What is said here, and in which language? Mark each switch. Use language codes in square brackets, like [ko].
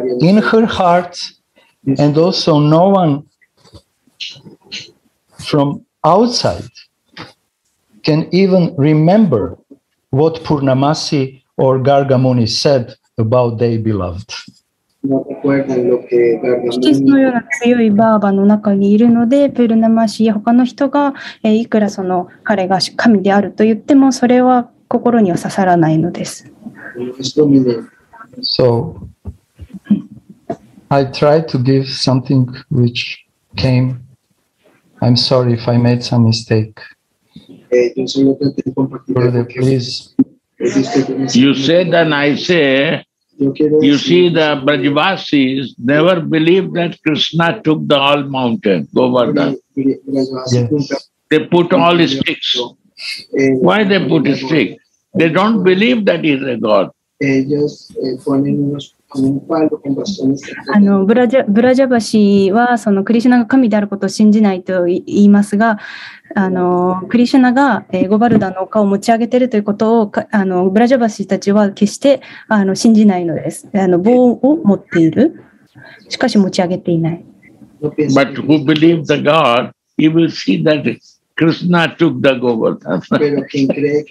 [en] In her heart,And also, no one from outside can even remember what Purnamasi or Garga Muni said about their beloved. [ja] キリスのような強いバーバの中にいるので、プルナマシや他の人がいくらその彼が神であると言っても、それは心には刺さらないのです。 [en] So,I tried to give something which came. I'm sorry if I made some mistake. Brother, please. You said and I say, you see the Brajavasis never believed that Krishna took the whole mountain, Govardhan. Yes. They put all the sticks. Why they put a stick? They don't believe that he's a god. [ja] ブラジャバシはそのクリシュナが神であることを信じないと言いますが、クリシュナが、ゴバルダの丘を持ち上げているということをブラジャバシたちは決して信じないのです。棒を持っている、しかし持ち上げていない。 [en] But who believes the God, he will see that Krishna took the Govardhan.